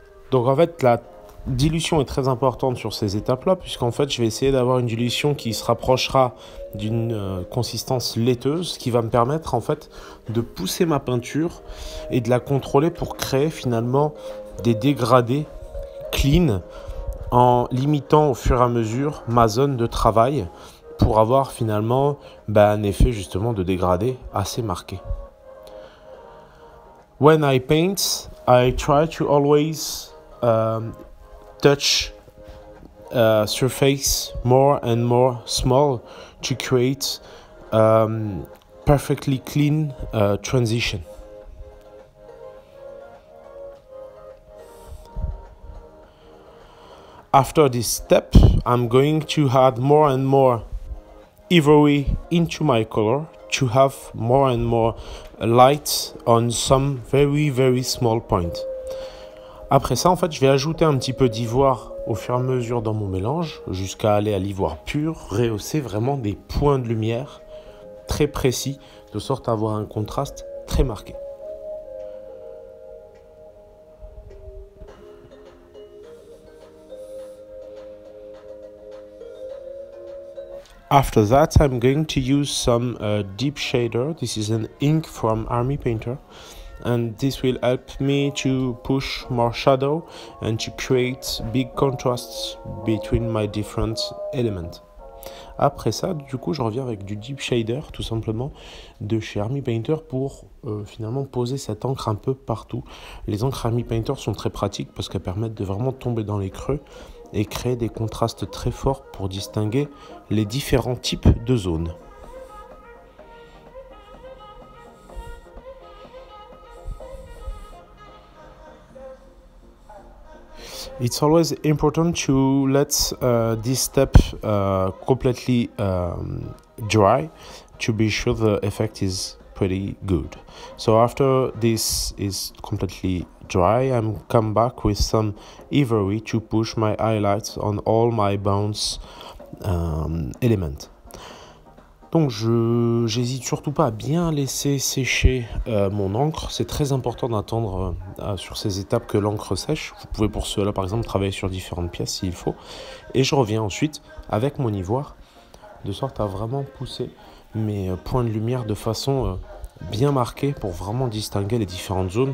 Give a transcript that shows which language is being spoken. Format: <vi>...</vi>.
<fr>Donc en fait la dilution est très importante sur ces étapes là, puisqu'en fait je vais essayer d'avoir une dilution qui se rapprochera d'une consistance laiteuse, qui va me permettre en fait de pousser ma peinture et de la contrôler pour créer finalement des dégradés clean en limitant au fur et à mesure ma zone de travail pour avoir finalement un effet justement de dégradé assez marqué.</fr> <en>When I paint, I try to always touch surface more and more small to create perfectly clean transition. After this step, I'm going to add more and more ivory into my color to have more and more light on some very, very small point.</en> <fr>Après ça, en fait, je vais ajouter un petit peu d'ivoire au fur et à mesure dans mon mélange, jusqu'à aller à l'ivoire pur, rehausser vraiment des points de lumière très précis, de sorte à avoir un contraste très marqué.</fr> <en>After that, I'm going to use some deep shader. This is an ink from Army Painter. And this will help me to push more shadow and to create big contrasts between my different elements.</en> <fr>Après ça, du coup, je reviens avec du deep shader, tout simplement, de chez Army Painter pour finalement poser cette encre un peu partout. Les encres Army Painter sont très pratiques parce qu'elles permettent de vraiment tomber dans les creux et créer des contrastes très forts pour distinguer les différents types de zones.</fr> <en>It's always important to let this step completely dry to be sure the effect is pretty good. So after this is completely dry, I'm come back with some ivory to push my highlights on all my bones element.</en> <fr>Donc j'hésite surtout pas à bien laisser sécher mon encre. C'est très important d'attendre sur ces étapes que l'encre sèche. Vous pouvez pour cela par exemple travailler sur différentes pièces s'il faut. Et je reviens ensuite avec mon ivoire de sorte à vraiment pousser mes points de lumière de façon bien marquée pour vraiment distinguer les différentes zones.</fr>